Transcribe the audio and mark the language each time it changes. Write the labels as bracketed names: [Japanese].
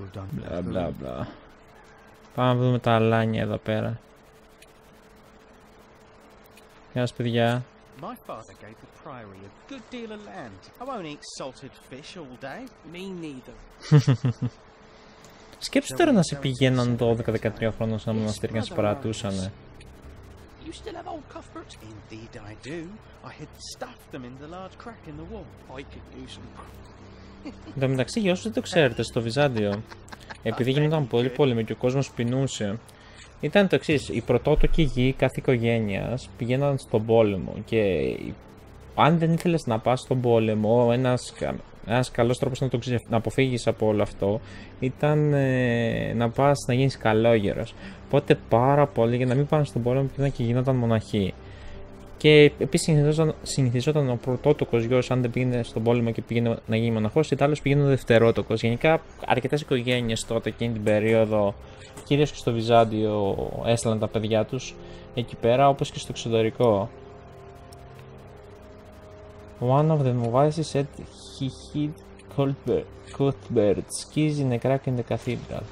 [Greek] Μπλα, μπλα, μπλα. Πάμε να δούμε τα αλάνια εδώ πέρα. Γεια σας, παιδιά. [English] My father gave the priory a good deal of land. I won't eat salted fish all day. Me neither. [Greek] Σκέψου τώρα να σε πηγαίναν 12-13 χρόνια σε ένα μοναστήρι και να σε παρατούσανε. [English] You still have old cufferts? Indeed I do. I had stuffed them in the large crack in the wall. I could use them. [Greek] Εν τω μεταξύ, για όσους δεν το ξέρετε, στο Βυζάντιο, επειδή γινόταν πολύ πόλεμοι και ο κόσμος πεινούσε, ήταν το εξής: οι πρωτότοκοι γη κάθε οικογένειας πηγαίναν στον πόλεμο και αν δεν ήθελες να πας στον πόλεμο, ένας καλός τρόπος να αποφύγεις από όλο αυτό ήταν να πας να γίνεις καλόγερος. Οπότε πάρα πολλοί για να μην πάνε στον πόλεμο πήγαιναν και γινόταν μοναχοί. Και επίσης συνηθιζόταν ο πρωτότοκος γιος, αν δεν πήγαινε στον πόλεμο και πήγαινε να γίνει μοναχός, είτε άλλος πήγαινε ο δευτερότοκος. Γενικά αρκετές οικογένειες τότε εκείνη την περίοδο, κυρίως και στο Βυζάντιο, έστειλαν τα παιδιά τους εκεί πέρα, όπως και στο εξωτερικό. [English] One of the novices said he hid Cuthbert's keys in a crack in the cathedral.